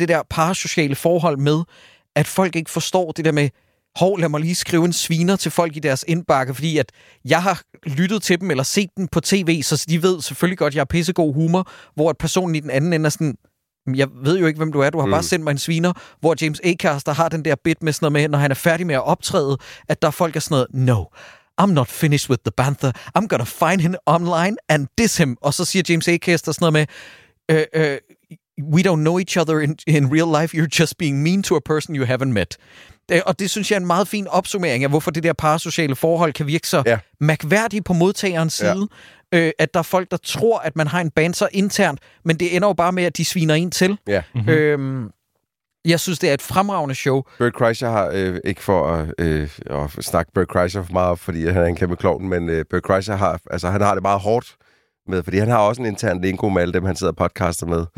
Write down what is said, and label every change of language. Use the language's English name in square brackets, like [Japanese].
[Danish] Det er det der parasociale forhold med, at folk ikke forstår det der med, hov, lad mig lige skrive en sviner til folk i deres indbakke, fordi at jeg har lyttet til dem eller set dem på tv, så de ved selvfølgelig godt, at jeg har pissegod humor, hvor at personen i den anden ende er sådan... Jeg ved jo ikke, hvem du er. Du har bare sendt mig en sviner, hvor James Acaster har den der bit med sådan noget med, når han er færdig med at optræde, at der er folk, der er sådan noget, [English] no, I'm not finished with the banter. I'm gonna find him online and diss him. [Danish] Og så siger James Acaster sådan noget med, [English] we don't know each other in real life. You're just being mean to a person you haven't met. [Danish] Og det synes jeg er en meget fin opsummering af, hvorfor det der parasociale forhold kan virke så mærkværdigt på modtagerens side. At der er folk, der tror, at man har en banter internt, men det ender jo bare med, at de sviner en til. Ja. Mm-hmm. Jeg synes, det er et fremragende show. Bert Kreischer har, ikke for at, at snakke Bert Kreischer for meget, fordi han er en kæmpe klovn, men Bert Kreischer har, altså, han har det meget hårdt med, fordi han har også en intern lingo med alle dem, han sidder og podcaster med.